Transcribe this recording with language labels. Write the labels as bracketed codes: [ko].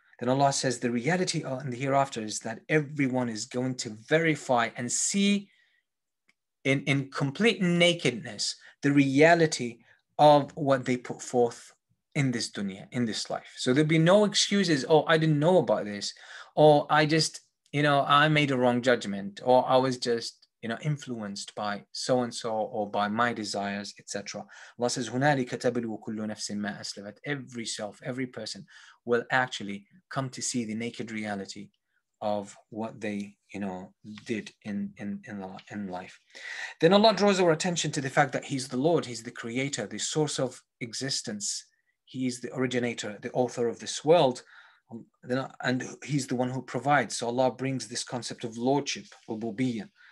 [en] Then Allah says the reality in the hereafter is that everyone is going to verify and see in complete nakedness the reality of what they put forth in this dunya, in this life. So there'll be no excuses, oh, I didn't know about this, or I just, I made a wrong judgment, or I was just, influenced by so-and-so or by my desires, etc. Allah says, [ar] هُنَالِكَ تَبْلُوا كُلُّ نَفْسٍ مَا أَسْلَفَتْ. [en] Every self, every person will actually come to see the naked reality of what they, did in life. Then Allah draws our attention to the fact that He's the Lord, He's the creator, the source of existence. He is the originator, the author of this world. And he's the one who provides. So Allah brings this concept of lordship, ububiyyah.